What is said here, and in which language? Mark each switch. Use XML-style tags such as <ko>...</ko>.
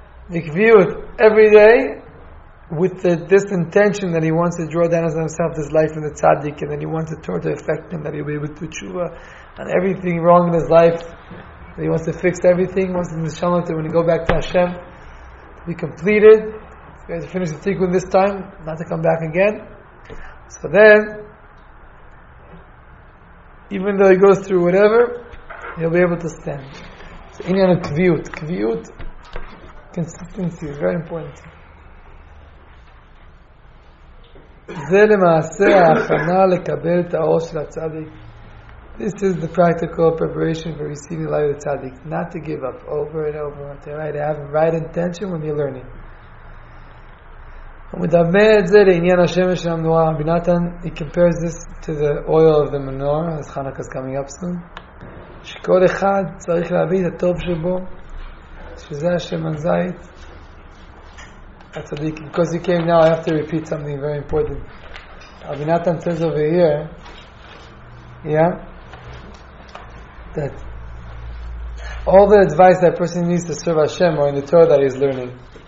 <en>Bikviut, every day, with this intention that he wants to draw down on himself this life in the tzaddik, and then he wants the Torah to affect him, that he'll be able to tshuva on everything wrong in his life, that he wants to fix everything, wants the neshama to, when he go back to Hashem, to be completed, to be able to finish the tikkun this time, not to come back again. So then, even though he goes through whatever, he'll be able to stand. So inyan of kviut. Kviut, consistency, is very important.</en> <he>זה למעשה ההכנה לקבל את האור של הצדיק.</he> <en>This is the practical preparation for receiving the light of the tzaddik. Not to give up over and over and over. To have right intention when you're learning.</en> <he>הוא מדמה את זה לעניין השמש של המנורה.</he> <en>רבי נתן, he compares this to the oil of the menorah. As Hanukkah is coming up soon.</en> <he>שכל אחד צריך להביא את הטוב שבו. שזה השמן זית.</he> <en>Tzaddik, because he came now, I have to repeat something very important. Rabbi Natan says over here, yeah, that all the advice that person needs to serve Hashem are in the Torah that he's learning.</en>